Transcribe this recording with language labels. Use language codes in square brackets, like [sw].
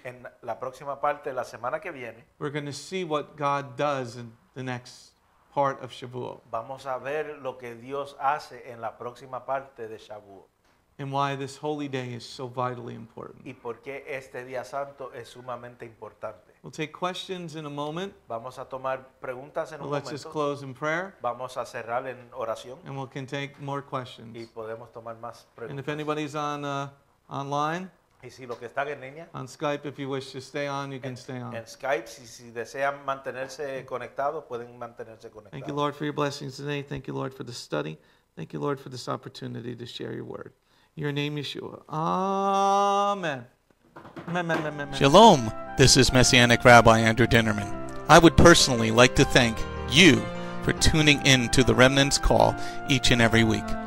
[es] en la próxima parte, la semana que viene, [en] we're going to see what God does in the next part of Shavuot. [es] Vamos a ver lo que Dios hace en la próxima parte de Shavuot. [en] And why this holy day is so vitally important. [es] Y por qué este día santo es sumamente importante. [en] We'll take questions in a moment. [es] Vamos a tomar preguntas en un momento. [en] Let's just close in prayer. [es] Vamos a cerrar en oración. [en] And we can take more questions. [es] Y podemos tomar más preguntas. [en] And if anybody's on online, [es] y si lo que están en línea, [en] on Skype, if you wish to stay on, you can stay on. [es] En Skype, si desean mantenerse conectados, pueden mantenerse conectados. [en] Thank you, Lord, for your blessings today. Thank you, Lord, for the study. Thank you, Lord, for this opportunity to share your word. Your name, Yeshua. Amen. Amen. Shalom. This is Messianic Rabbi Andrew Dinnerman. I would personally like to thank you for tuning in to the Remnant's Call each and every week.